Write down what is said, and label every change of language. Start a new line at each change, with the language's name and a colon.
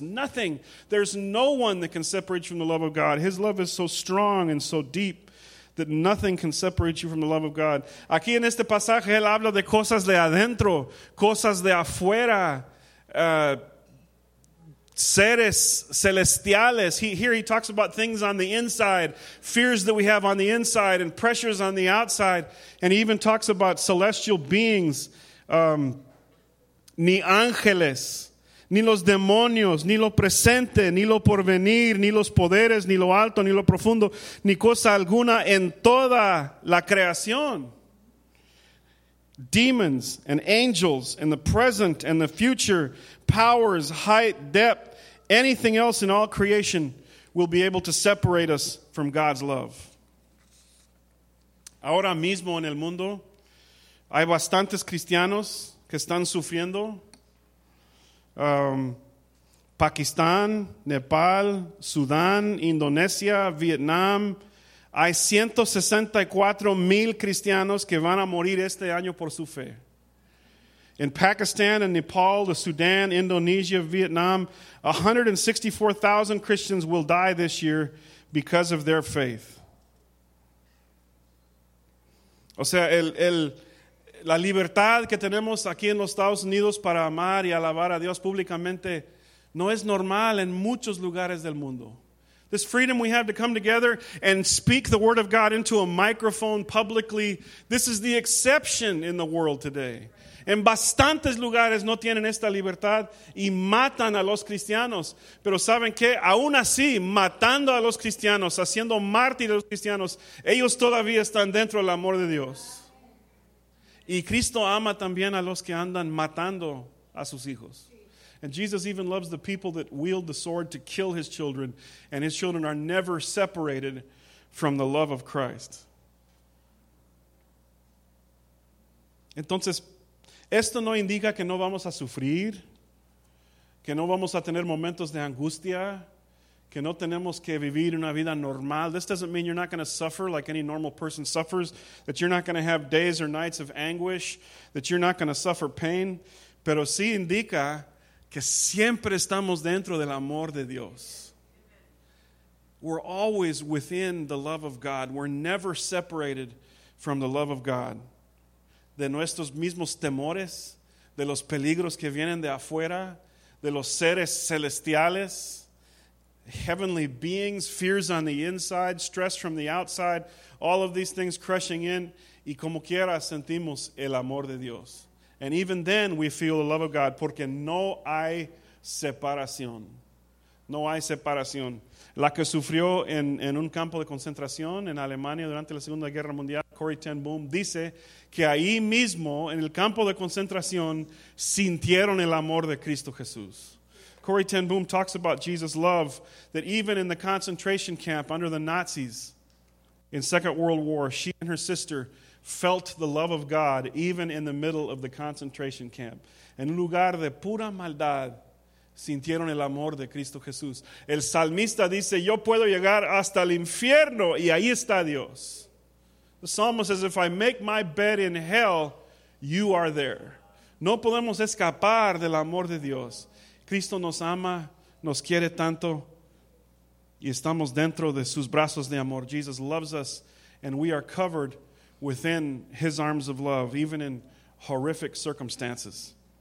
English: Nothing. There's no one that can separate you from the love of God. His love is so strong and so deep that nothing can separate you from the love of God.
Spanish: Aquí en este pasaje, él habla de cosas de adentro, cosas de afuera, seres celestiales.
English: He talks about things on the inside, fears that we have on the inside and pressures on the outside. And he even talks about celestial beings.
Spanish: Ni ángeles, ni los demonios, ni lo presente, ni lo porvenir, ni los poderes, ni lo alto, ni lo profundo, ni cosa alguna en toda la creación.
English: Demons and angels in the present and the future, powers, height, depth, anything else in all creation will be able to separate us from God's love.
Spanish: Ahora mismo en el mundo hay bastantes cristianos que están sufriendo. Pakistán, Nepal, Sudán, Indonesia, Vietnam. Hay 164,000 cristianos que van a morir este año por su fe.
English: In Pakistan and Nepal, the Sudan, Indonesia, Vietnam, 164,000 Christians will die this year because of their faith.
Spanish: O sea, la libertad que tenemos aquí en los Estados Unidos para amar y alabar a Dios públicamente no es normal en muchos lugares del mundo.
English: This freedom we have to come together and speak the word of God into a microphone publicly, this is the exception in the world today.
Spanish: En bastantes lugares no tienen esta libertad y matan a los cristianos. Pero ¿saben qué? Aún así, matando a los cristianos, haciendo mártires a los cristianos, ellos todavía están dentro del amor de Dios. Y Cristo ama también a los que andan matando a sus hijos.
English: And Jesus even loves the people that wield the sword to kill his children, and his children are never separated from the love of Christ.
Spanish: Entonces, esto no indica que no vamos a sufrir, que no vamos a tener momentos de angustia, que no tenemos que vivir una vida normal.
English: This doesn't mean you're not going to suffer like any normal person suffers, that you're not going to have days or nights of anguish, that you're not going to suffer pain.
Spanish: Pero sí indica que siempre estamos dentro del amor de Dios.
English: We're always within the love of God. We're never separated from the love of God.
Spanish: De nuestros mismos temores, de los peligros que vienen de afuera, de los seres celestiales,
English: heavenly beings, fears on the inside, stress from the outside, all of these things crushing in,
Spanish: y como quiera sentimos el amor de Dios.
English: And even then we feel the love of God,
Spanish: porque no hay separación. No hay separación. La que sufrió en un campo de concentración en Alemania durante la Segunda Guerra Mundial, Corrie ten Boom, dice que ahí mismo, en el campo de concentración, sintieron el amor de Cristo Jesús.
English: Corrie ten Boom talks about Jesus' love, that even in the concentration camp under the Nazis in Second World War, she and her sister felt the love of God even in the middle of the concentration camp.
Spanish: En lugar de pura maldad, sintieron el amor de Cristo Jesús. El salmista dice, yo puedo llegar hasta el infierno y ahí está Dios.
English: The psalmist says, if I make my bed in hell, you are there.
Spanish: No podemos escapar del amor de Dios. Cristo nos ama, nos quiere tanto, y estamos dentro de sus brazos de amor.
English: Jesus loves us, and we are covered within his arms of love, even in horrific circumstances.